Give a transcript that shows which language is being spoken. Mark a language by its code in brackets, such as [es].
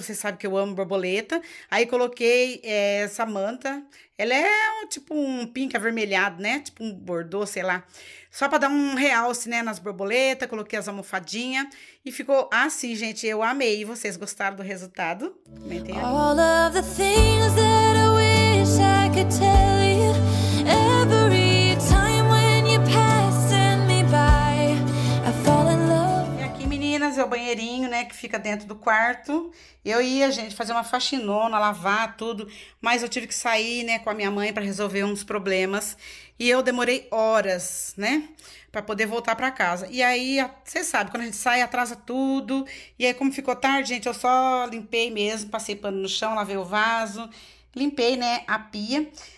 [pt] Vocês sabem que eu amo borboleta. Aí coloquei essa manta. Ela é tipo um pink avermelhado, né? Tipo um bordô, sei lá. Só pra dar um realce, né, nas borboletas. Coloquei as almofadinhas. E ficou assim, gente. Eu amei. Vocês gostaram do resultado? Comentem aí. [en] All of the things that I wish I could tell you. Every time when you pass and me by, I fall in love. [pt] E aqui, meninas, é o banheirinho, né? Que fica dentro do quarto. Eu ia, gente, fazer uma faxinona, lavar tudo. Mas eu tive que sair, né, com a minha mãe pra resolver uns problemas. E eu demorei horas, né, pra poder voltar pra casa. E aí, você sabe, quando a gente sai, atrasa tudo. E aí, como ficou tarde, gente, eu só limpei mesmo, passei pano no chão, lavei o vaso, limpei, né, a pia.